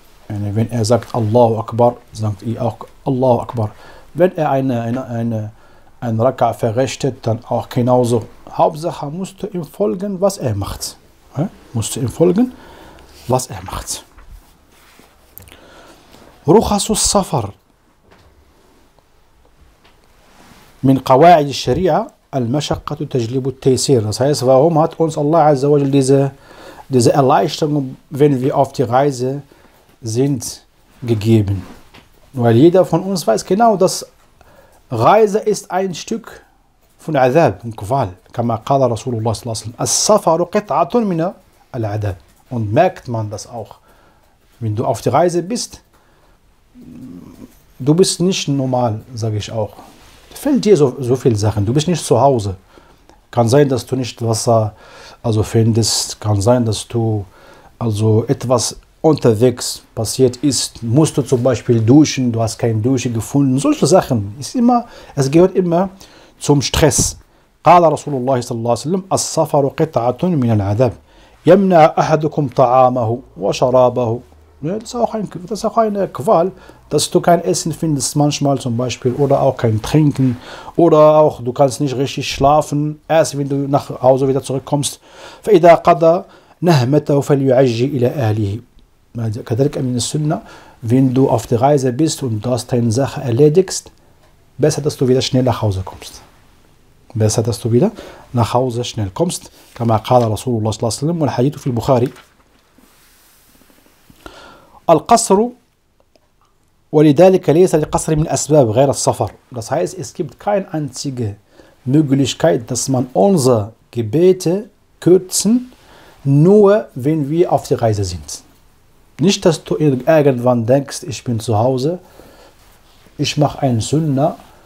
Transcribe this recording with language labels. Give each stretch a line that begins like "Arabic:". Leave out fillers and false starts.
German: يعني wenn er sagt الله أكبر sagt ihr auch الله أكبر wenn er ein Raka verrichtet dann auch genauso Hauptsache musst du ihm folgen was er macht musst du ihm folgen was er macht
Arabic: رخص السفر من قواعد الشريعة المشقة تجلب التيسير.
German: Das heißt, warum hat uns Allah Azza wa Jalla diese Erleichterung, wenn wir auf die Reise sind, gegeben? Weil jeder von uns weiß genau, dass Reise ist ein Stück von Azab und Qual.
Arabic: كما قال رسول الله صلى الله عليه وسلم السفر قطعة من العذاب.
German: Und merkt man das auch, wenn du auf die Reise bist, du bist nicht normal, sage ich auch. Fällt dir so viele Sachen, du bist nicht zu Hause. Kann sein, dass du nicht Wasser also findest, kann sein, dass du also etwas unterwegs passiert ist, musst du zum Beispiel duschen, du hast keine Dusche gefunden, solche Sachen. Es gehört immer zum Stress.
Arabic: قال رسول الله صلى الله عليه وسلم السفر قطعة من العذاب يمنع أحدكم طعامه وشرابه.
German: Das ist auch eine Qual, dass du kein Essen findest manchmal zum Beispiel oder auch kein Trinken oder auch du kannst nicht richtig schlafen, erst wenn du nach Hause wieder zurückkommst.
Arabic: فَإِذَا قَدَى نَهْمَتَهُ فَلْيُعَجِّ إِلَىٰ أَهْلِهِ كَذَلِكَ مِنَ السُنَّةِ
German: Wenn du auf der Reise bist und du hast deine Sache erledigst, besser, dass du wieder schnell nach Hause kommst. Besser, dass du wieder nach Hause schnell kommst.
Arabic: كَمَا قَالَ رَسُولُ اللَّهِ صَلَّى اللَّهُ عَلَيْهِ وَسَلَّمُ وَالْحَدِيثُ فِي الْبُخَارِي القصر ولذلك ليس للقصر من أسباب غير السفر.
German: Das heißt, es gibt keine einzige Möglichkeit, dass man unsere Gebete kürzen, nur wenn wir auf der Reise sind. Nicht, dass du irgendwann denkst, ich bin zu Hause, ich mache einen Sünder.